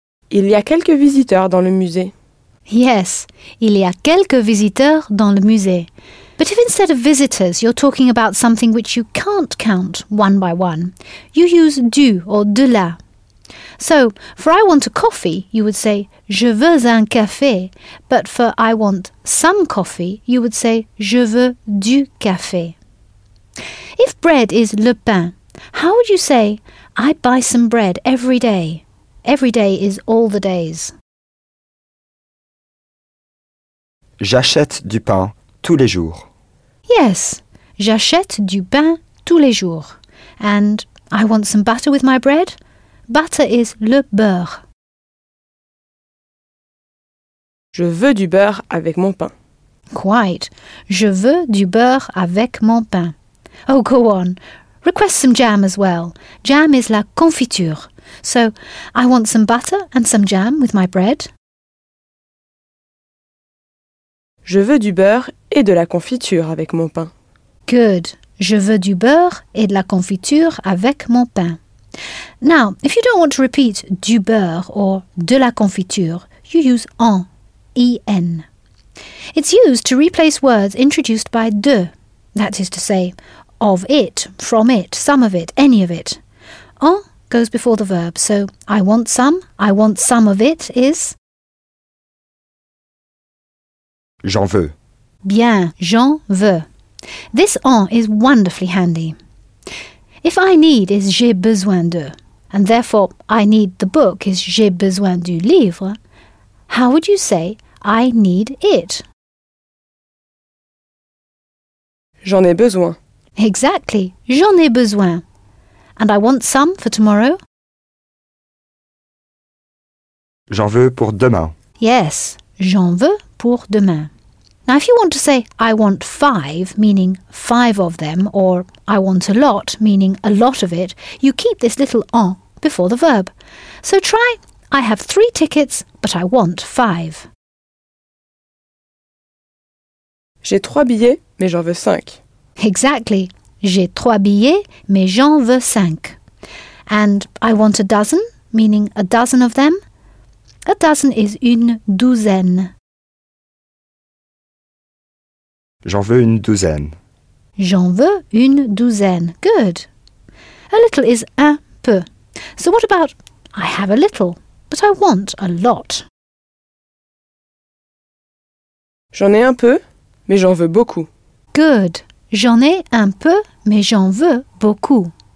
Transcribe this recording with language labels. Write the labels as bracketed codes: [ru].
[fr] Il y a quelques visiteurs dans le musée. Yes, il y a quelques visiteurs dans le musée. [en] But if instead of visitors you're talking about something which you can't count one by one, you use du or de la. So, for I want a coffee, you would say [fr] je veux un café. [en] But for I want some coffee, you would say [fr] je veux du café. [en] If bread is le pain, how would you say I buy some bread every day? Every day is all the days. [fr] J'achète du pain tous les jours. Yes, j'achète du pain tous les jours. [en] And I want some butter with my bread. Butter is le beurre. [fr] Je veux du beurre avec mon pain. [en] Quite. [fr] Je veux du beurre avec mon pain. [en] Oh, go on. Request some jam as well. Jam is la confiture. So, I want some butter and some jam with my bread. [fr] Je veux du beurre et de la confiture avec mon pain. [en] Good. [fr] Je veux du beurre et de la confiture avec mon pain. [en] Now, if you don't want to repeat du beurre or de la confiture, you use en, en. It's used to replace words introduced by de, that is to say, of it, from it, some of it, any of it. En goes before the verb, so I want some of it is... [fr] J'en veux. Bien, j'en veux. [en] This en is wonderfully handy. If I need is [fr] j'ai besoin de, [en] and therefore I need the book is [fr] j'ai besoin du livre, [en] how would you say I need it? [fr] J'en ai besoin. Exactly, j'en ai besoin. [en] And I want some for tomorrow. [fr] J'en veux pour demain. Yes, j'en veux pour demain. [en] Now, if you want to say, I want five, meaning five of them, or I want a lot, meaning a lot of it, you keep this little en before the verb. So try, I have three tickets, but I want five. [fr] J'ai trois billets, mais j'en veux cinq. [en] Exactly. [fr] J'ai trois billets, mais j'en veux cinq. [en] And I want a dozen, meaning a dozen of them. A dozen is une douzaine. [fr] J'en veux une douzaine. J'en veux une douzaine. [en] Good. A little is [fr] un peu. [en] So what about I have a little, but I want a lot? [fr] J'en ai un peu, mais j'en veux beaucoup. [en] Good. [fr] J'en ai un peu, mais j'en veux beaucoup.